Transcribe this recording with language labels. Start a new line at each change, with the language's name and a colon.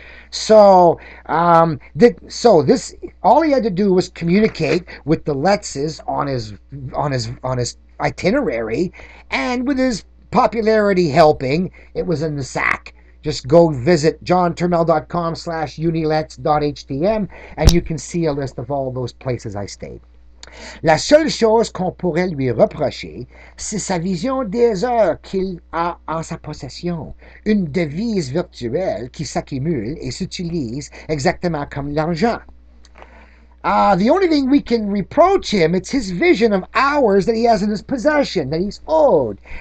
English: So this, all he had to do was communicate with the Letzes on his itinerary, and with his popularity helping, it was in the sack. Just go visit johnturmel.com/unilets.htm and you can see a list of all those places I stayed.
French: La seule chose qu'on pourrait lui reprocher, c'est sa vision des heures qu'il a en sa possession, une devise virtuelle qui s'accumule et s'utilise exactement comme l'argent.
English: The only thing we can reproach him, it's his vision of hours that he has in his possession, that he's owed.